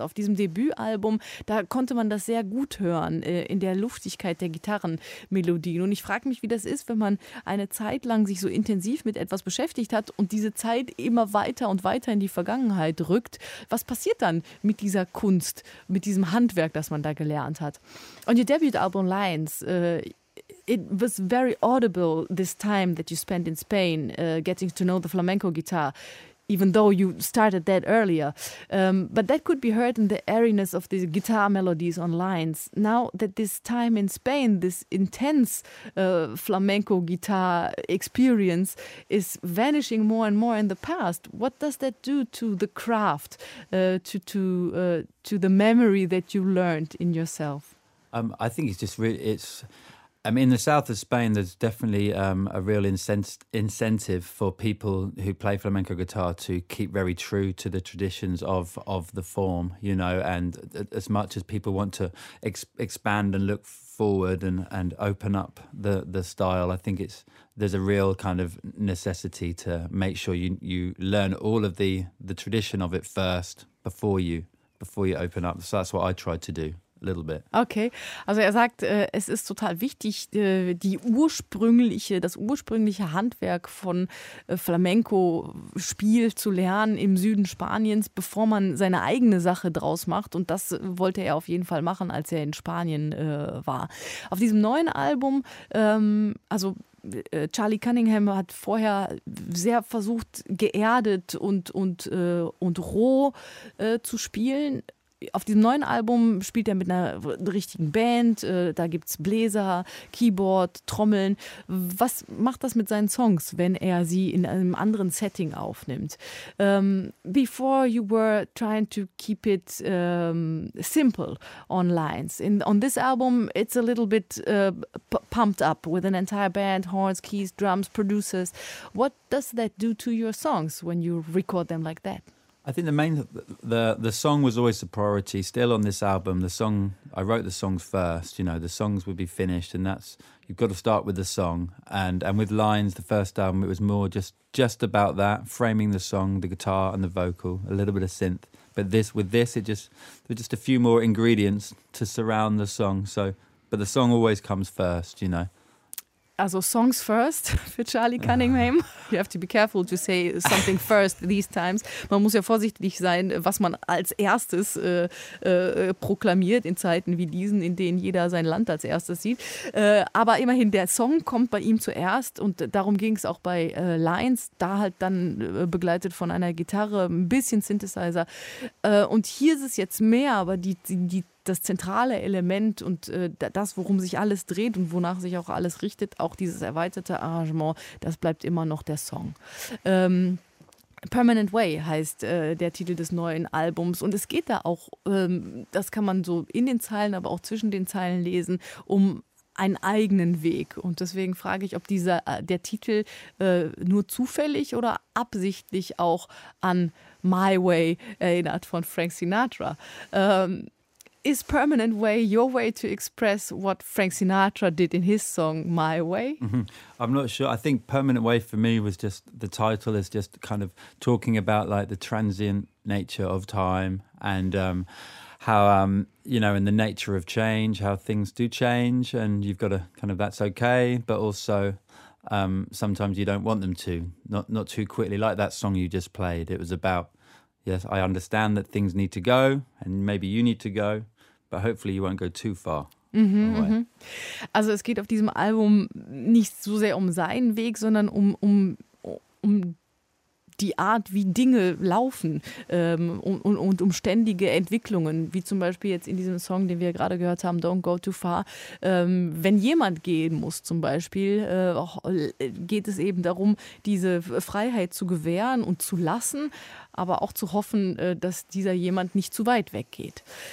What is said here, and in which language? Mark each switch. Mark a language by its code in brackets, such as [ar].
[de] Auf diesem Debütalbum, da konnte man das sehr gut hören, in der Luftigkeit der Gitarrenmelodien. Und ich frage mich, wie das ist, wenn man eine Zeit lang sich so intensiv mit etwas beschäftigt hat und diese Zeit immer weiter und weiter in die Vergangenheit rückt. Was passiert dann mit dieser Kunst, mit diesem Handwerk, das man da gelernt hat? [en] On your debut album, Lines, it was very audible this time that you spent in Spain getting to know the flamenco guitar, even though you started that earlier. But that could be heard in the airiness of the guitar melodies on Lines. Now that this time in Spain, this intense flamenco guitar experience is vanishing more and more in the past, what does that do to the craft, to the memory that you learned in yourself? I think it's just really... I mean, in the south of Spain, there's definitely a real incentive for people who play flamenco guitar to keep very true to the traditions of the form, you know. And as much as people want to expand and look forward and open up the style, I think there's a real kind of necessity to make sure you learn all of the tradition of it first before you open up. So that's what I tried to do. Little bit. [de] Okay, also er sagt, es ist total wichtig, das ursprüngliche Handwerk von Flamenco-Spiel zu lernen im Süden Spaniens, bevor man seine eigene Sache draus macht. Und das wollte er auf jeden Fall machen, als er in Spanien war. Auf diesem neuen Album, Charlie Cunningham hat vorher sehr versucht, geerdet und roh zu spielen. Auf diesem neuen Album spielt er mit einer richtigen Band, da gibt es Bläser, Keyboard, Trommeln. Was macht das mit seinen Songs, wenn er sie in einem anderen Setting aufnimmt? [en] Before you were trying to keep it simple on Lines. On this album it's a little bit pumped up with an entire band, horns, keys, drums, producers. What does that do to your songs when you record them like that? I think the song was always the priority. Still on this album, I wrote the songs first. You know, the songs would be finished, and that's you've got to start with the song. And with Lines, the first album, it was more just about that, framing the song, the guitar and the vocal, a little bit of synth. But with this, it just there's just a few more ingredients to surround the song. So, but the song always comes first, you know. Also, songs first for Charlie Cunningham. You have to be careful to say something first these times. [de] Man muss ja vorsichtig sein, was man als erstes proklamiert in Zeiten wie diesen, in denen jeder sein Land als erstes sieht. Aber immerhin, der Song kommt bei ihm zuerst und darum ging es auch bei Lines. Da halt dann begleitet von einer Gitarre, ein bisschen Synthesizer. Und hier ist es jetzt mehr, aber die das zentrale Element und das, worum sich alles dreht und wonach sich auch alles richtet, auch dieses erweiterte Arrangement, das bleibt immer noch der Song. Permanent Way heißt der Titel des neuen Albums und es geht da auch, das kann man so in den Zeilen, aber auch zwischen den Zeilen lesen, um einen eigenen Weg. Und deswegen frage ich, ob der Titel nur zufällig oder absichtlich auch an My Way erinnert von Frank Sinatra. [en] Is Permanent Way your way to express what Frank Sinatra did in his song, My Way? Mm-hmm. I'm not sure. I think Permanent Way for me was just, the title is just kind of talking about like the transient nature of time and how in the nature of change, how things do change and you've got to kind of, that's okay, but also sometimes you don't want them to, not too quickly, like that song you just played. It was about, yes, I understand that things need to go and maybe you need to go, but hopefully you won't go too far. [de] Also es geht auf diesem Album nicht so sehr um seinen Weg, sondern um die Art, wie Dinge laufen und um ständige Entwicklungen, wie zum Beispiel jetzt in diesem Song, den wir gerade gehört haben, Don't Go Too Far. Wenn jemand gehen muss zum Beispiel, geht es eben darum, diese Freiheit zu gewähren und zu lassen, aber auch zu hoffen, dass dieser jemand nicht zu weit weggeht.